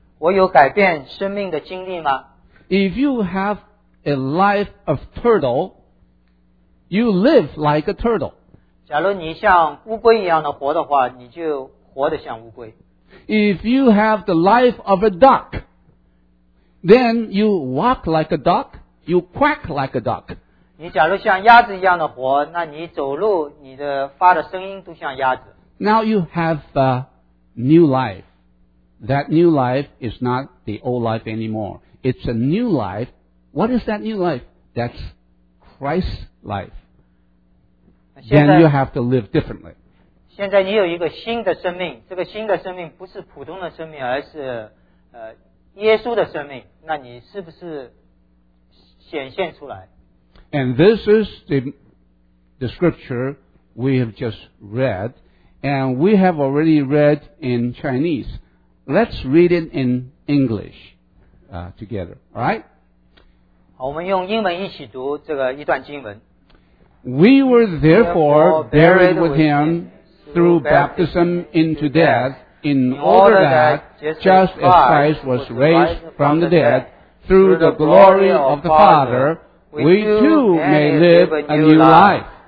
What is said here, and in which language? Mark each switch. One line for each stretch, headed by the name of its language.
Chinese: 我有改变生命的经历吗？
English: If you have a life of turtle. You live like a turtle.
Chinese: 假如你像乌龟一样的活的话，你就活得像乌龟。
English: If you have the life of a duck, then you walk like a duck, you quack like a duck.
Chinese: 你假如像鸭子一样的活，那你走路，你的发的声音都像鸭子。
English: Now you have a new life. That new life is not the old life anymore. It's a new life. What is that new life? That's Christ's life. Then you have to live differently.
Chinese: 现在你有一个新的生命，这个新的生命不是普通的生命，而是耶稣的生命。那你是不是显现出来？
English: And this is the scripture we have just read, and we have already read in Chinese. Let's read it in English together. All right?
Chinese: 我们用英文一起读这个一段经文。
English: We were therefore buried with him through baptism into death, in order that, just as Christ was raised from the dead, through the glory of the Father, we too may live a new life.